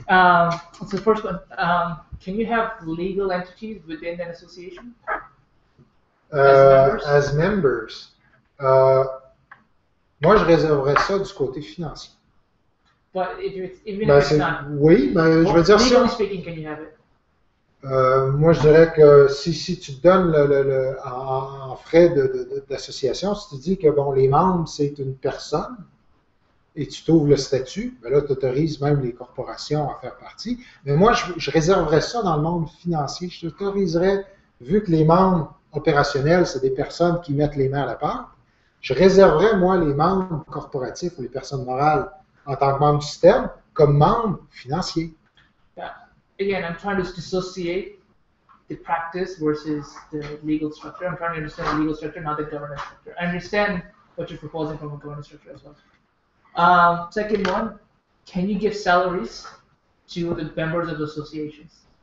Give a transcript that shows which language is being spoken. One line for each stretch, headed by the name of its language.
English: So the first one, can you have legal entities within an association as members? As members.
French: Moi, je réserverais ça du côté financier.
English: But if it's, even ben if c'est, it's not,
French: oui, ben, well, je veux dire
English: legally
French: ça.
English: Speaking, can you have it?
French: Moi, je dirais que si tu te donnes en frais d'association, si tu dis que bon, les membres, c'est une personne, et tu t'ouvres le statut, ben là, tu autorises même les corporations à faire partie. Mais moi, je réserverais ça dans le monde financier. Je t'autoriserais, vu que les membres opérationnels, c'est des personnes qui mettent les mains à la pâte, je réserverais, moi, les membres corporatifs ou les personnes morales en tant que membres du système comme membres financiers.
English: Again, I'm trying to dissociate the practice versus the legal structure. I'm trying to understand the legal structure, not the governance structure. I understand what you're proposing from a governance structure as well. Second one, can you give salaries to the members of the associations?